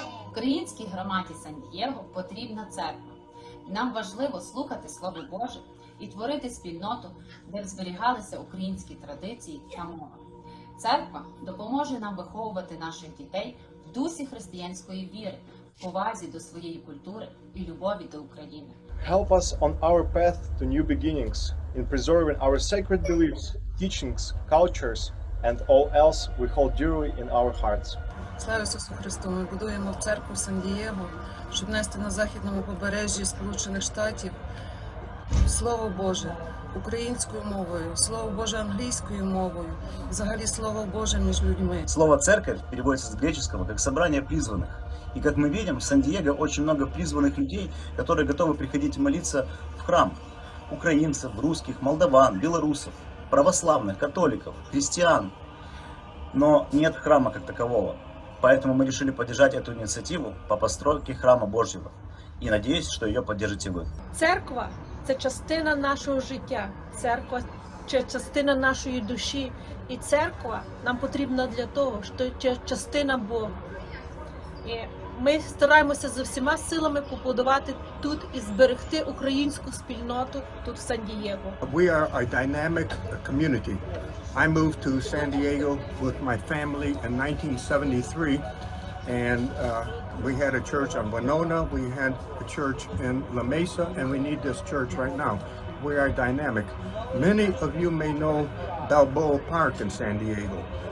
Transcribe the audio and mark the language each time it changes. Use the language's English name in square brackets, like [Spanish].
[Ukrainian] Українській громаді Сан-Дієго потрібна церква. Нам важливо слухати Слово Боже і творити спільноту, де б зберігалися українські традиції та мова. Церква допоможе нам виховувати наших дітей в дусі християнської віри, повазі до своєї культури і любові до України. [English] Help us on our path to new beginnings in preserving our sacred beliefs, teachings, cultures, and all else we hold dearly in our hearts. [Ukrainian] Слава Ісусу Христу! Ми будуємо церкву Сан-Дієго, щоб нести на західному побережжі Сполучених Штатів Слово Боже українською мовою, Слово Боже англійською мовою, взагалі Слово Боже між людьми. Слово «церковь» переводиться з грецького як «собрання призваних». [Russian] И как мы видим, в Сан-Диего очень много призванных людей, которые готовы приходить молиться в храм. Украинцев, русских, молдаван, белорусов, православных, католиков, христиан. Но нет храма как такового. Поэтому мы решили поддержать эту инициативу по постройке храма Божьего. И надеюсь, что ее поддержите вы. Церква – это часть нашего жизни. [Ukrainian] Церква – це частина нашої душі. І церква нам потрібна для того, що це частина Бога. Ми стараємося з усіма силами побудувати тут і зберегти українську спільноту тут в Сан-Дієго. [English] We are a dynamic community. I moved to San Diego with my family in 1973, and we had a church on Winona, we had a church in La Mesa, and we need this church right now. We are dynamic. Many of you may know Balboa Park in San Diego.